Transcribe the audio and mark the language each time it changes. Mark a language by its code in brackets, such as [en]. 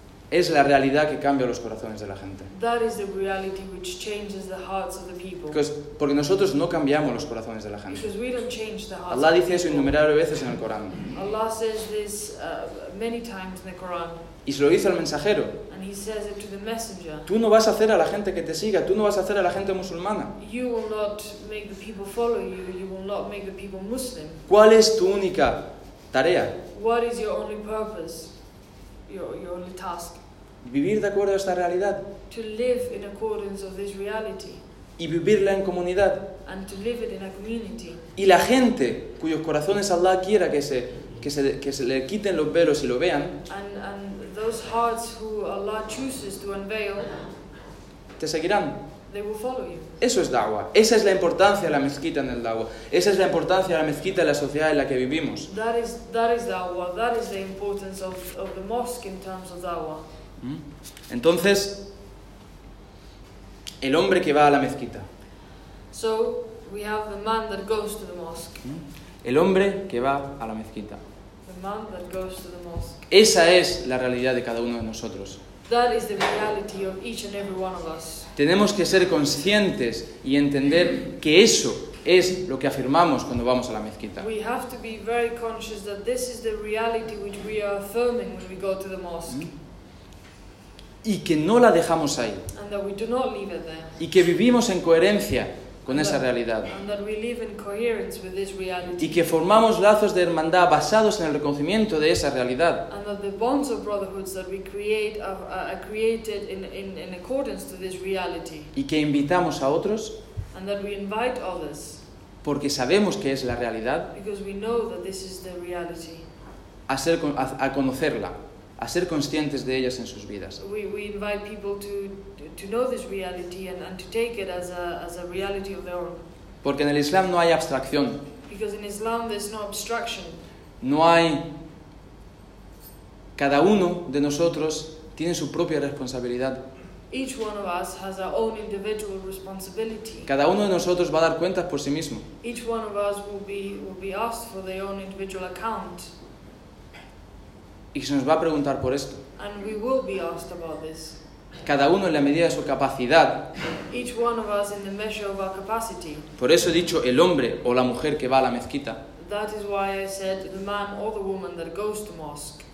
[es] es la realidad que cambia los corazones de la gente. [en] That is the reality which changes the hearts of the people. [es] Porque nosotros no cambiamos los corazones de la gente. [en] Because we don't change the hearts. [es] Allah dice eso innumerables veces en el Corán. [en] Allah says this many times in the Quran. [es] Y se lo dice al mensajero. [en] And he says it to the messenger. [es] Tú no vas a hacer a la gente que te siga, tú no vas a hacer a la gente musulmana. [en] You will not make the people follow you, you will not make the people Muslim. [es] ¿Cuál es tu única tarea? [en] What is your only purpose? Your only task. [es] Vivir de acuerdo a esta realidad. [en] To live in accordance of this reality. [es] Y vivirla en comunidad. [en] And to live it in a community. [es] Y la gente cuyos corazones Allah quiera que se le quiten los velos y lo vean. [en] And those hearts who Allah chooses to unveil. [es] Te seguirán. [en] They will follow you. [es] Eso es da'wah. Esa es la importancia de la mezquita en el da'wah. Esa es la importancia de la mezquita en la sociedad en la que vivimos. [en] That is da'wah. That is the importance of the mosque in terms of da'wah. [es] Entonces, el hombre que va a la mezquita. [en] So, we have the man that goes to the mosque. [es] El hombre que va a la mezquita. [en] The man that goes to the mosque. [es] Esa es la realidad de cada uno de nosotros. [en] That is the reality of each and every one of us. [es] Tenemos que ser conscientes y entender que eso es lo que afirmamos cuando vamos a la mezquita. [en] We have to be very conscious that this is the reality which we are affirming when we go to the mosque. [es] Y que no la dejamos ahí. [en] And that we do not leave it there. [es] Y que vivimos en coherencia con esa realidad. [en] And that we live in coherence with this reality. [es] Y que formamos lazos de hermandad basados en el reconocimiento de esa realidad. [en] And that the bonds of brotherhoods that we create are created in accordance to this reality. [es] Y que invitamos a otros. [en] And that we invite others. [es] Porque sabemos que es la realidad. [en] Because we know that this is the reality. [es] A conocerla, a ser conscientes de ellas en sus vidas. [en] We invite people to know this reality and to take it as a reality of their own. [es] Porque en el Islam no hay abstracción. [en] Because in Islam there's no abstraction. [es] No hay. Cada uno de nosotros tiene su propia responsabilidad. [en] Each one of us has our own individual responsibility. [es] Cada uno de nosotros va a dar cuentas por sí mismo. [en] Each one of us will be asked for their own individual account. [es] Y se nos va a preguntar por esto. [en] And we will be asked about this. [es] Cada uno en la medida de su capacidad. [en] Each one of us in the measure of our capacity. [es] Por eso he dicho el hombre o la mujer que va a la mezquita. [en] That is why I said the man or the woman that goes to mosque.